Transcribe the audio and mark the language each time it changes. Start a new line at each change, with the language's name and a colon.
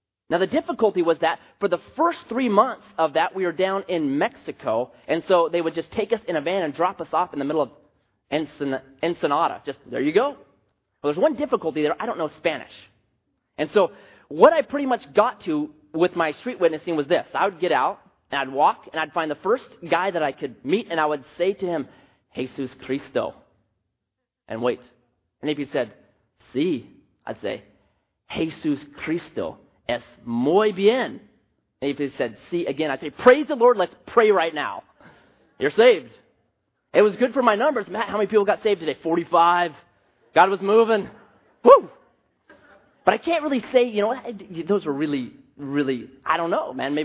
English: Now, the difficulty was that for the first 3 months of that, we were down in Mexico, and so they would just take us in a van and drop us off in the middle of Ensenada. Just, there you go. Well, there's one difficulty there. I don't know Spanish. And so what I pretty much got to with my street witnessing was this. I would get out, and I'd walk, and I'd find the first guy that I could meet, and I would say to him,
Spanish: Jesus Cristo,
English: and wait. And if he said,
Spanish: sí,
English: I'd say,
Spanish: Jesus Cristo, es muy bien.
English: And if he said,
Spanish: sí,
English: again, I'd say, praise the Lord, let's pray right now. You're saved. It was good for my numbers. Matt, how many people got saved today? 45. God was moving. Woo! But I can't really say, you know, those were really, really, I don't know, man.